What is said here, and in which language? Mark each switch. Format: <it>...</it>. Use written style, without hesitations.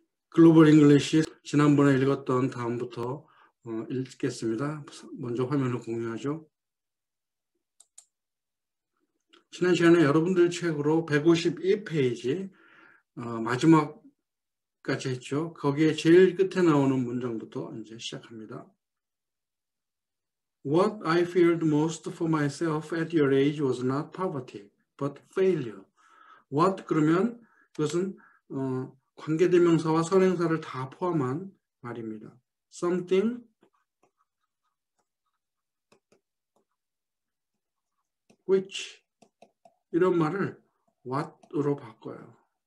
<ko>글로벌 잉글리시 지난번에 읽었던 다음부터 읽겠습니다. 먼저 화면을 공유하죠. 지난 시간에 여러분들 책으로 151페이지 마지막까지 했죠. 거기에 제일 끝에 나오는 문장부터 이제 시작합니다.</ko> <en>What I feared most for myself at your age was not poverty, but failure.</en> <ko>What 그러면 그것은 관계대명사와 선행사를 다 포함한 말입니다.</ko> <en>Something which</en> <ko>이런 말을 what으로 바꿔요.</ko>